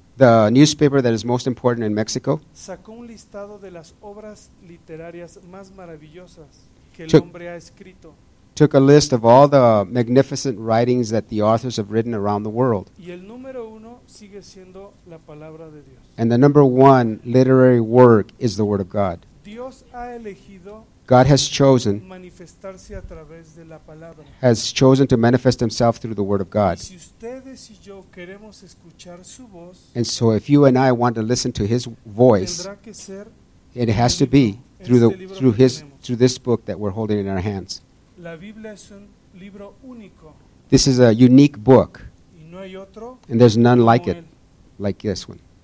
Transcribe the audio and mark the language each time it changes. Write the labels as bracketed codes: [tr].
[en] the newspaper that is most important in Mexico [es] sacó un listado de las obras literarias más maravillosas que el hombre ha escrito. [en] Took a list of all the magnificent writings that the authors have written around the world. [es] Y el número uno sigue siendo la palabra de Dios. [en] And the number one literary work is the Word of God. [es] Dios ha elegido [en] God has chosen [es] manifestarse a través de la palabra. [en] Has chosen to manifest himself through the word of God. [es] Y si ustedes y yo queremos escuchar su voz, [en] and so if you and I want to listen to his voice, [es] tendrá que ser [en] it has to be through this book that we're holding in our hands. [es] La Biblia es un libro único. [en] This is a unique book. [es] Y no hay otro, [en] and there's none like it, like this one.